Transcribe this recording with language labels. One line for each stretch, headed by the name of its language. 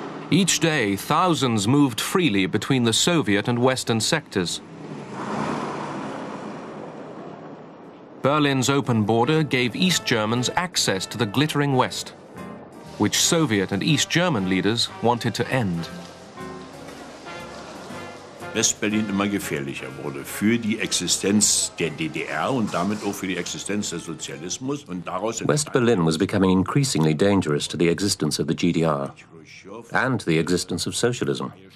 English: Each day, thousands moved freely between the Soviet and Western sectors. Berlin's open border gave East Germans access to the glittering West, which Soviet and East German leaders wanted to end.
German: West-Berlin immer gefährlicher wurde für die Existenz der DDR und damit auch für die Existenz des Sozialismus. Und daraus
English: West-Berlin was becoming increasingly dangerous to the existence of the GDR and to the existence of socialism.